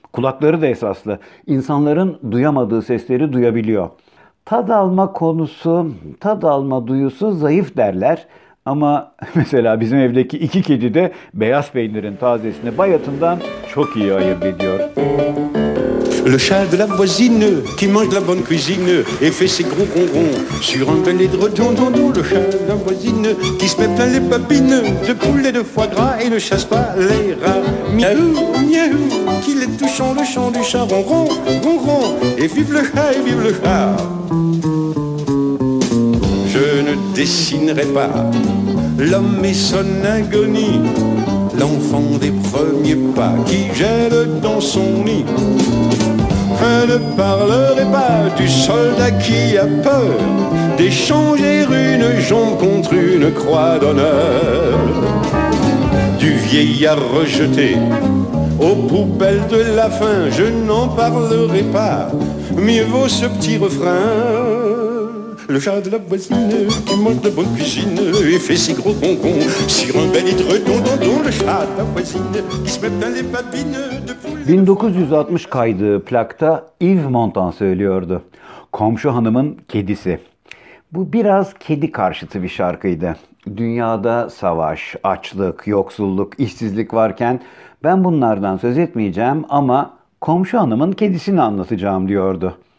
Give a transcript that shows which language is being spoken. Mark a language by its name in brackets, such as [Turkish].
[Turkish] Kulakları da esaslı. İnsanların duyamadığı sesleri duyabiliyor. Tad alma duyusu zayıf derler. Ama mesela bizim evdeki iki kedi de beyaz peynirin tazesini bayatından çok iyi ayırt ediyor. [French] Le chat de la voisine qui mange la bonne cuisine et fait ses gros gros gros sur un bel édredon don don. Le chat de la voisine qui se met plein les babines de poulet de foie gras et ne chasse pas les rats. Miaou miaou qu'il est touchant le chant du chat ron ron ron ron et vive le chat et vive le chat. Je ne dessinerai pas l'homme et son agonie. L'enfant des premiers pas qui gèle dans son nid. Je ne parlerai pas du soldat qui a peur d'échanger une jambe contre une croix d'honneur. Du vieillard rejeté aux poubelles de la faim, je n'en parlerai pas, mieux vaut ce petit refrain. Le chat de la voisine qui mange de bonne cuisine et fait ses gros concons sur un bel édredon don don. Le chat de la voisine qui se met dans les babines de poule. [Turkish] 1960 kaydı plakta Yves Montand söylüyordu. Komşu hanımın kedisi. Bu biraz kedi karşıtı bir şarkıydı. Dünyada savaş, açlık, yoksulluk, işsizlik varken ben bunlardan söz etmeyeceğim ama komşu hanımın kedisini anlatacağım diyordu.